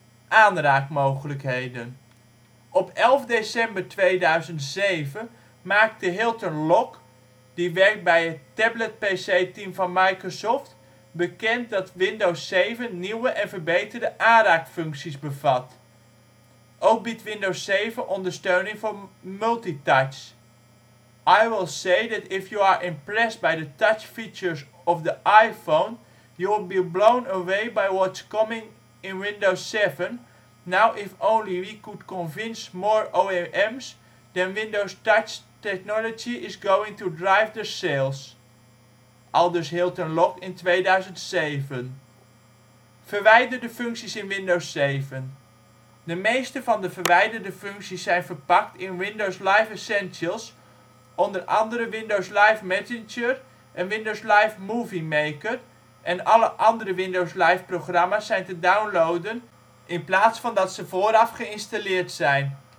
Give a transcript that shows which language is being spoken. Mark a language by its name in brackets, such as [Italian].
[Dutch] Aanraakmogelijkheden. Op 11 december 2007 maakte Hilton Lock, die werkt bij het tablet-PC-team van Microsoft, bekend dat Windows 7 nieuwe en verbeterde aanraakfuncties bevat. Ook biedt Windows 7 ondersteuning voor multi-touch. [English] I will say that if you are impressed by the touch features of the iPhone, you will be blown away by what's coming in Windows 7. Now if only we could convince more OEMs, then Windows Touch technology is going to drive the sales. [Dutch] Aldus Hilton Lock in 2007. Verwijderde functies in Windows 7. De meeste van de verwijderde functies zijn verpakt in Windows Live Essentials, onder andere Windows Live Messenger en Windows Live Movie Maker, en alle andere Windows Live programma's zijn te downloaden in plaats van dat ze vooraf geïnstalleerd zijn.